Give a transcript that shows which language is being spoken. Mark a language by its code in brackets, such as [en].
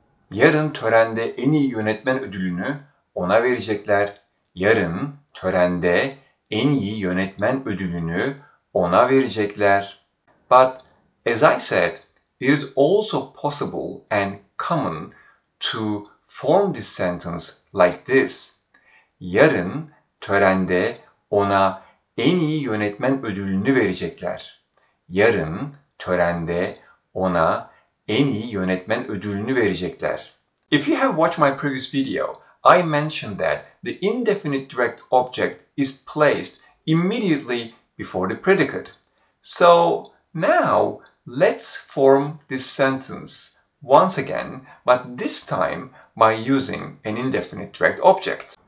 [tr] Yarın törende en iyi yönetmen ödülünü ona verecekler. Yarın törende en iyi yönetmen ödülünü ona verecekler. [en] But as I said, it is also possible and common to form this sentence like this. [tr] Yarın törende ona en iyi yönetmen ödülünü verecekler. Yarın törende ona en iyi yönetmen ödülünü verecekler. [en] If you have watched my previous video, I mentioned that the indefinite direct object is placed immediately before the predicate. So now, let's form this sentence once again, but this time by using an indefinite direct object.